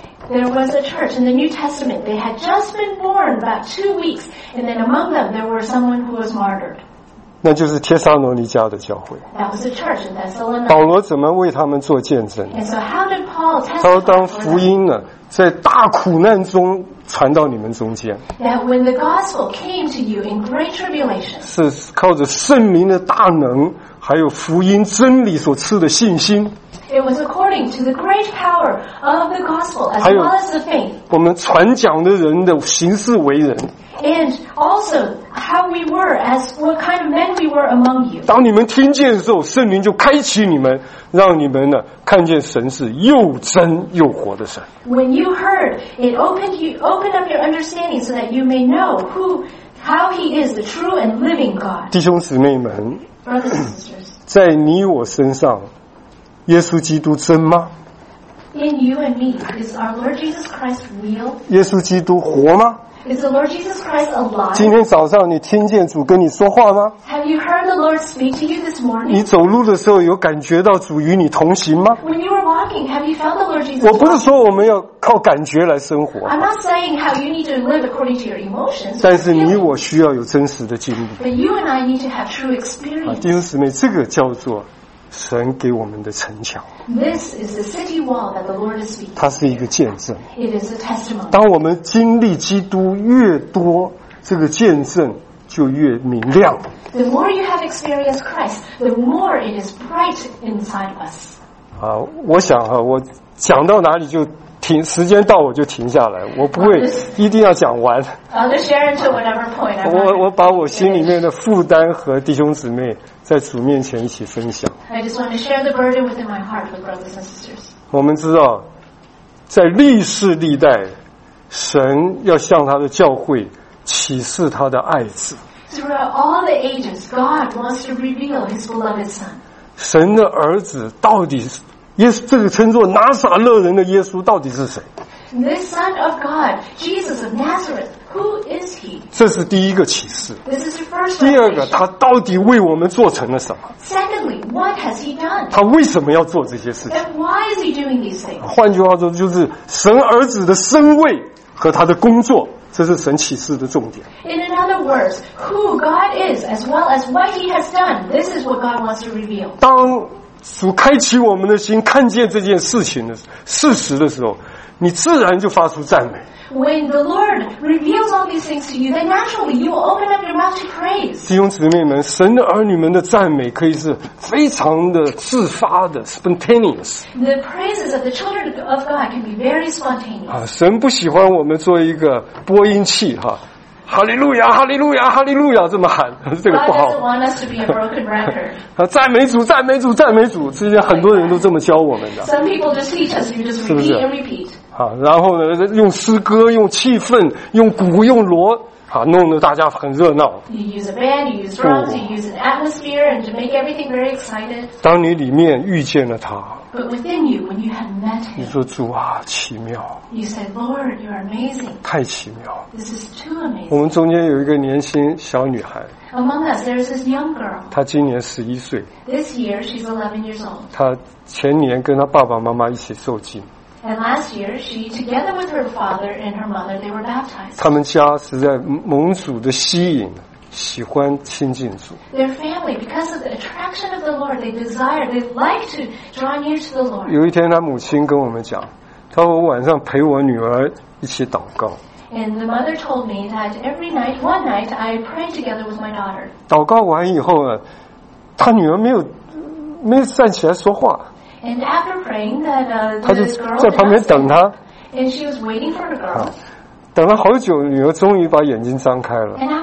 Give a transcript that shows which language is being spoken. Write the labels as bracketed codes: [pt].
[en] There was a church in the New Testament. They had just been born about 2 weeks, and then among them there were someone who was martyred. [zh] 那就是帖撒罗尼迦的教会。 [en] That was a church in Thessalonica. [zh] 保罗怎么为他们做见证？ [en] And so how did Paul testify? [zh] 他说当福音呢，在大苦难中传到你们中间。 [en] That when the gospel came to you in great tribulation. [zh] 是靠着圣灵的大能，还有福音真理所赐的信心。 [en] It was according to the great power of the gospel as well as the faith. [zh] 我们传讲的人的行事为人。 [en] And also how we were, as what kind of men we were among you. [zh] 当你们听见的时候，圣灵就开启你们，让你们呢看见神是又真又活的神。 [en] When you heard, it opened you, opened up your understanding so that you may know who, how he is, the true and living God. [zh] 弟兄姊妹们 [en] ，Brothers and sisters, [zh] 在你我身上。耶稣基督真吗 [en] ？In you and me, is our Lord Jesus Christ real? [zh] 耶稣基督活吗 [en] ？Is the Lord Jesus Christ alive? [zh] 今天早上你听见主跟你说话吗 [en] ？Have you heard the Lord speak to you this morning? [zh] 你走路的时候有感觉到主与你同行吗 [en] ？When you were walking, have you felt the Lord Jesus? [zh] 我不是说我们要靠感觉来生活。 [en] I'm not saying how you need to live according to your emotions. [zh] 但是你我需要有真实的经历。 [en] But you and I need to have true experience. [zh] 弟兄姊妹，这个叫做。神给我们的城墙 [en] This is the city wall that the Lord is speaking. [zh] 它是一个见证 [en] It is a testimony. [zh] 当我们经历基督越多，这个见证就越明亮 [en] The more you have experienced Christ, the more it is bright inside us. [zh] 我想我讲到哪里就停，时间到我就停下来，我不会一定要讲完。 [en] I'll just share until whatever point. [zh] 我把我心里面的负担和弟兄姊妹。在主面前一起分享。 [en] I just want to share the burden within my heart with brothers and sisters. [zh] 我们知道，在历世历代，神要向他的教会启示他的爱子。 [en] Throughout all the ages, God wants to reveal His beloved Son. [zh] 神的儿子到底是耶稣？这个称作拿撒勒人的耶稣到底是谁 [en] ？This Son of God, Jesus of Nazareth. Who is he? [zh] 这是第一个启示。 [en] This is the first. [zh] 第二个，他到底为我们做成了什么 [en] ？Secondly, what has he done? [zh] 他为什么要做这些事情 [en] ？And why is he doing these things? [zh] 换句话说，就是神儿子的身位和他的工作，这是神启示的重点。 [en] In other words, who God is, as well as what he has done, this is what God wants to reveal. [zh] 当主开启我们的心，看见这件事情的事实的时候，你自然就发出赞美。 [en] When the Lord reveals all these things to you, then naturally you will open up your mouth to praise. [zh] 弟兄姊妹们，神的儿女们的赞美可以是非常的自发的 spontaneous. [en] The praises of the children of God can be very spontaneous. [zh] 神不喜欢我们做一个播音器哈。哈利路亚，哈利路亚，哈利路亚，这么喊，这个不好。 [en] God doesn't want us to be a broken record. [zh] 赞美主，赞美主，赞美主，之前很多人都这么教我们的。 [en] Some people just teach us, you just repeat and repeat. [zh] 好，然后呢，用诗歌，用气氛，用鼓，用锣，弄得大家很热闹。 [en] You use a band, you use drums, you use an atmosphere, and to make everything very excited. [zh] 当你里面遇见了他。 [en] But within you, when you have met him, [zh] 你说主啊，奇妙。 [en] You said, Lord, you are amazing. [zh] 太奇妙。 [en] This is too amazing. [zh] 我们中间有一个年轻小女孩。 [en] Among us, there is this young girl. [zh] 她今年十一岁。 [en] This year, she's 11 years old. [zh] 她前年跟她爸爸妈妈一起受浸。 [en] And last year, she together with her father and her mother, they were baptized. [zh] 他们家实在蒙主的吸引。喜欢亲近主。 [en] Their family, because of the attraction of the Lord, they desire, they like to draw near to the Lord. [zh] 有一天，他母亲跟我们讲，他说我晚上陪我女儿一起祷告。 [en] And the mother told me that every night, one night, I pray together with my daughter. [zh] 祷告完以后呢，他女儿没有站起来说话。 [en] And after praying, that the girl [zh] 他就在旁边等他。 [en] And she was waiting for her girl. [zh] 等了好久，女儿终于把眼睛张开了。